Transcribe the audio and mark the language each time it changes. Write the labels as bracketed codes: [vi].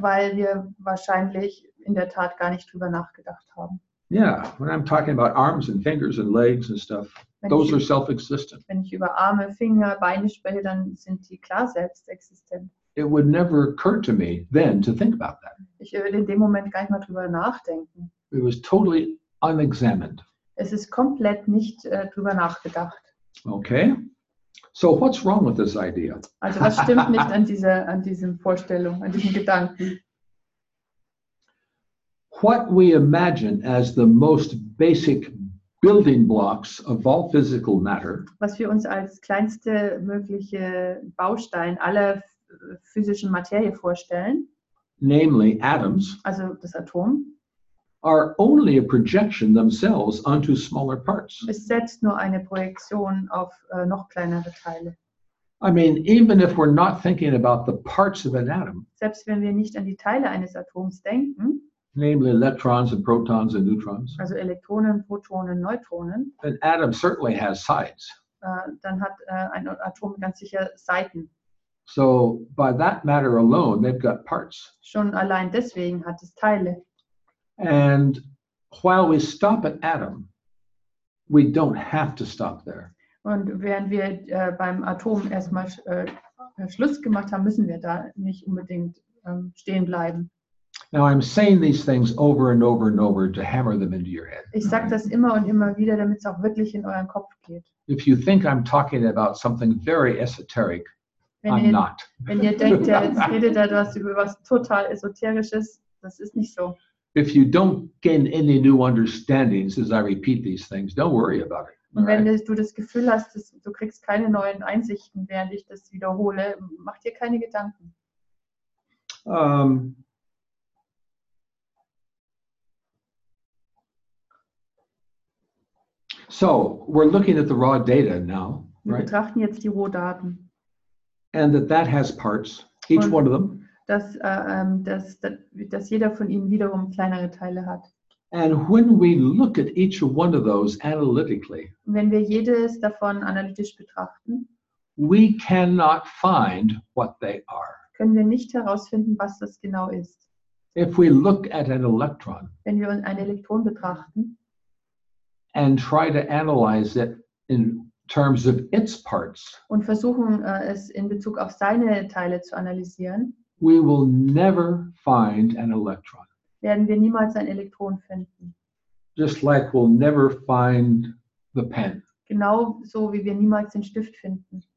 [de] Weil wir wahrscheinlich in der Tat gar nicht drüber nachgedacht haben. [en] Yeah, when I'm talking about arms and fingers and legs and stuff, those are self-existent. [de] Wenn ich über Arme, Finger, Beine spreche, dann sind die klar selbstexistent. [en] It would never occur to me then to think about that. [de] Ich würde in dem Moment gar nicht mal drüber nachdenken. [en] It was totally unexamined. [de] Es ist komplett nicht drüber nachgedacht. [en] Okay. So what's wrong with this idea? [de] Also was stimmt nicht an dieser an diesem Vorstellung, an diesem Gedanken? [en] What we imagine as the most basic building blocks of all physical matter. [de] Was wir uns als kleinste mögliche Baustein aller physischen Materie vorstellen. [en] Namely atoms. [de] Also das Atom. [en] Are only a projection themselves onto smaller parts. [de] Es setzt nur eine Projektion auf noch kleinere Teile. [en] I mean, even if we're not thinking about the parts of an atom. [de] Selbst wenn wir nicht an die Teile eines Atoms denken. [en] Namely electrons and protons and neutrons. [de] Also Elektronen, Protonen, Neutronen. [en] An atom certainly has sides. [de] Dann hat ein Atom ganz sicher Seiten. [en] So by that matter alone, they've got parts. [de] Schon allein deswegen hat es Teile. [en] And while we stop at atom, we don't have to stop there. [de] Und während wir beim Atom erstmal Schluss gemacht haben, müssen wir da nicht unbedingt stehen bleiben. [en] Now I'm saying these things over and over and over to hammer them into your head. [de] Ich sag das immer und immer wieder, damit es auch wirklich in euren Kopf geht. [en] If you think I'm talking about something very esoteric, [de] wenn [en] I'm not. [de] Wenn ihr denkt, ja, jetzt redet er das über was total esoterisches, das ist nicht so. [en] If you don't gain any new understandings as I repeat these things, don't worry about it. [de] Und wenn du das Gefühl hast, dass du kriegst keine neuen Einsichten, während ich das wiederhole, mach dir keine Gedanken. [en] So, we're looking at the raw data now, right? [de] Wir betrachten jetzt die Rohdaten. [en] And that has parts, each one of them. [de] Dass jeder von ihnen wiederum kleinere Teile hat. [en] And when we look at each one of those analytically, [de] wenn wir jedes davon analytisch betrachten, [en] we cannot find what they are. [de] Können wir nicht herausfinden, was das genau ist. [en] If we look at an electron, [de] wenn wir ein Elektron betrachten, [en] and try to analyze it in terms of its parts, [de] und versuchen es in Bezug auf seine Teile zu analysieren, [en] we will never find an electron. [de] Werden wir niemals ein Elektron finden. [en] Just like we'll never find the pen. [de] Genau so wie wir niemals den Stift finden.